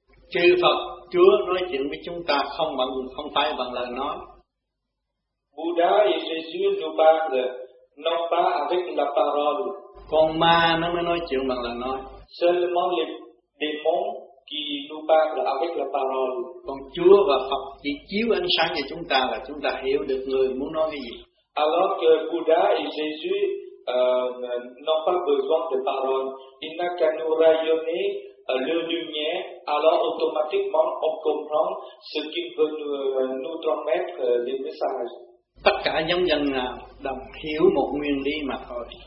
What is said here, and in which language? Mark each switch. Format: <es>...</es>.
<vi>Chư Phật, Chúa nói chuyện với chúng ta không bằng, không phải bằng lời nói.</vi> <fr>Bouddha et Jésus nous parlent, non pas avec la parole.</fr> <vi>Còn ma nó mới nói chuyện bằng lời nói.</vi> <fr>Seulement les démons qui nous parlent avec la parole.</fr> <vi>Còn Chúa và Phật chỉ chiếu ánh sáng cho chúng ta là chúng ta hiểu được người muốn nói cái gì.</vi> <fr>Alors que Bouddha et Jésus n'ont pas besoin de parole. Il n'a qu'à nous rayonner le lumière, alors automatiquement on comprend ce qu'il veut nous transmettre les messages.</fr> <vi>Tất cả nhân dân nào đồng hiểu một nguyên lý mà thôi.</vi>